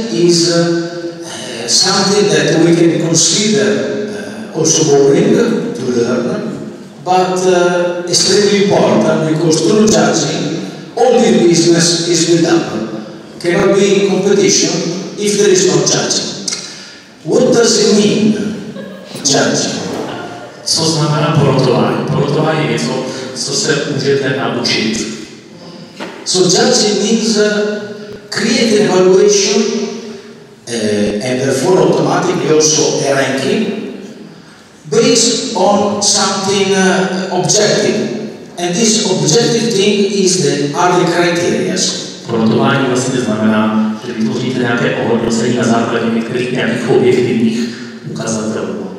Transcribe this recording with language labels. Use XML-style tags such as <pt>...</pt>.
<en>is something that we can consider also boring to learn. But extremely important, because through judging, all the business is built up. Cannot be in competition if there is no judging. What does it mean, judging?</en> <cs>Co znamená porotování? Porotování je něco, co se můžete naučit.</cs> <en>So judging means create an evaluation and therefore automatically also a ranking. Based on something objective, and this objective thing is the other criteria.</en> <cs>Porotování vlastně znamená, že vytvoříte nějaké ohodnocení na základě některých objektivních ukazatelů.</cs>